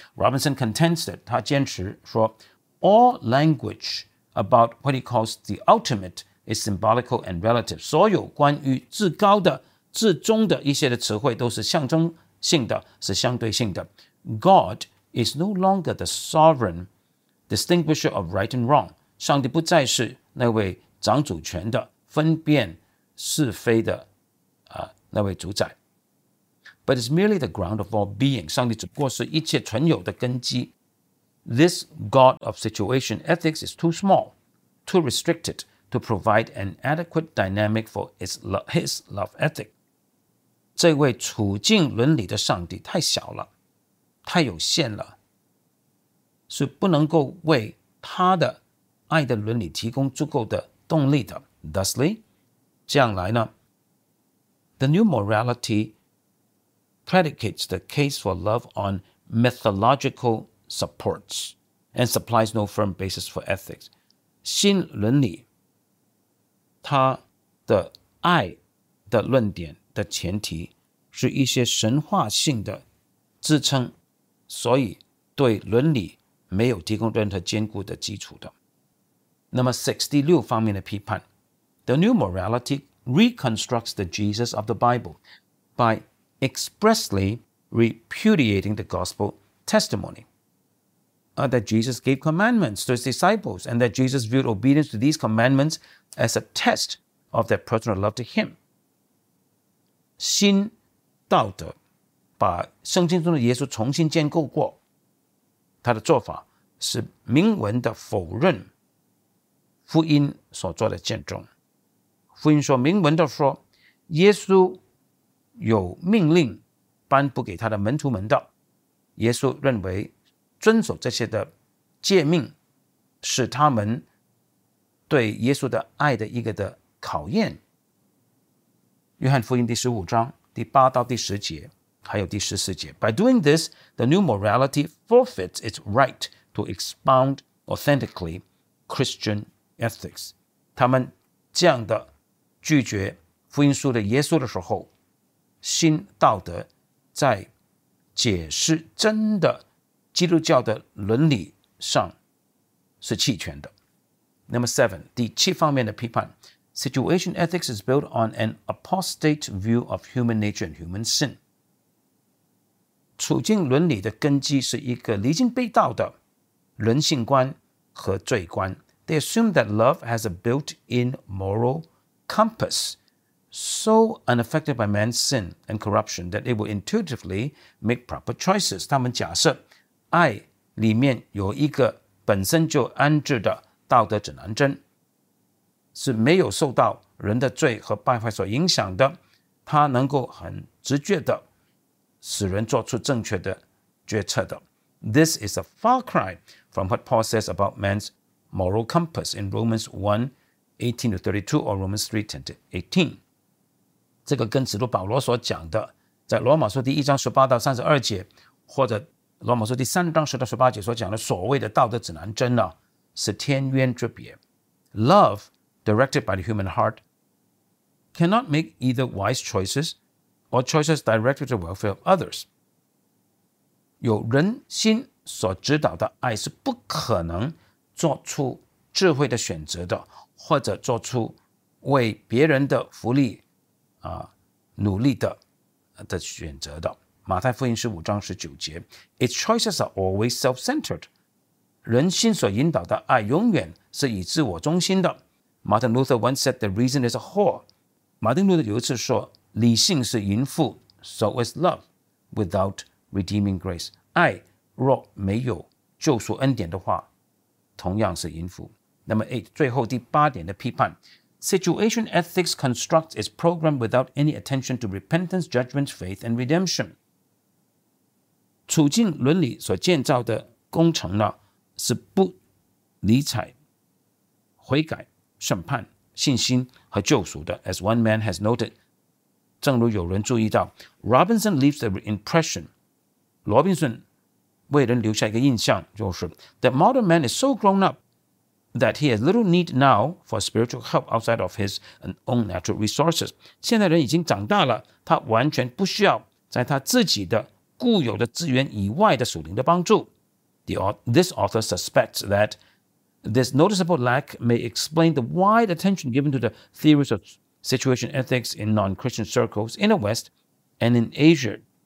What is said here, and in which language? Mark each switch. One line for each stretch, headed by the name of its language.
English: Robinson contends that
Chinese: 他坚持说
English: All language about what he calls the ultimate is symbolical and relative.
Chinese: 所有关于至高的、至终的一些的词汇都是象征性的，是相对性的。
English: God is no longer the sovereign distinguisher of right and wrong.
Chinese: 上帝不再是那位掌主权的分辨是非的那位主宰。
English: But it's merely the ground of all being.
Chinese: 上帝只不过是一切存有的根基。
English: This God of situation ethics is too small, too restricted to provide an adequate dynamic for his love ethic.
Chinese: 这位处境伦理的上帝太小了，太有限了，是不能够为他的爱的伦理提供足够的动力的。
English: Thusly,
Chinese: 这样来呢，
English: The new morality predicates the case for love on mythological supports and supplies no firm basis for ethics.
Chinese: 新伦理它的爱的论点的前提是一些神话性的支撑，所以对伦理没有提供任何坚固的基础的。
English: Number six,
Chinese: 第六方面的批判。
English: The new morality reconstructs the Jesus of the Bible by expressly repudiating the gospel testimony. That Jesus gave commandments to his disciples and that Jesus viewed obedience to these commandments as a test of their personal love to him.
Chinese: 新道德把圣经中的耶稣重新建构过，他的做法是明文的否认福音所做的见证。福音说，明文的说，耶稣有命令颁布给他的门徒们的。耶稣认为遵守这些的诫命是他们对耶稣的爱的一个的考验。约翰福音第十五章第八到第十节还有第十四节。
English: By doing this, the new morality forfeits its right to expound authentically Christian ethics.
Chinese: 他们这样的拒绝福音书的耶稣的时候，新道德在解释真的基督教的伦理上是弃权的。
English: Number seven,
Chinese: 第七方面的批判。
English: Situation ethics is built on an apostate view of human nature and human sin.
Chinese: 处境伦理的根基是一个离经背道的人性观和罪观。
English: They assume that love has a built-in moral compass so unaffected by man's sin and corruption that it will intuitively make proper choices.
Chinese: 他们假设爱里面有一个本身就安置的道德指南针，是没有受到人的罪和败坏所影响的，它能够很直觉的使人做出正确的决策的。
English: This is a far cry from what Paul says about man's moral compass in Romans 1:18-32 or Romans 3:10-18.
Chinese: 这个跟使徒保罗所讲的，在罗马书第一章18-32节，或者罗马书第三章10-18节所讲的所谓的道德指南针呢，是天渊之别。
English: Love directed by the human heart cannot make either wise choices or choices directed to the welfare of others.
Chinese: 有人心所指导的爱是不可能做出智慧的选择的，或者做出为别人的福利努力 的选择的。马太福音15:19
English: Its choices are always self-centered.
Chinese: 人心所引导的爱永远是以自我中心的。
English: Martin Luther once said the reason is a whore.
Chinese: 马丁路德有一次说理性是淫妇
English: so is love withoutredeeming grace.
Chinese: 爱若没有救赎恩典的话同样是淫妇。
English: Number 8,
Chinese: 最后第八点的批判。
English: Situation ethics constructs its program without any attention to repentance, judgment, faith, and redemption.
Chinese: 处境伦理所建造的工程呢是不理睬悔改审判信心和救赎的。
English: As one man has noted,
Chinese: 正如有人注意到
English: Robinson leaves the impression,
Chinese: 罗宾逊为人留下一个印象，就是
English: The modern man is so grown up that he has little need now for spiritual help outside of his own natural resources.
Chinese: 现在人已经长大了，他完全不需要在他自己的固有的资源以外的属灵的帮助。
English: This author suspects that this noticeable lack may explain the wide attention given to the theories of situation ethics in non-Christian circles in the West and in Asia.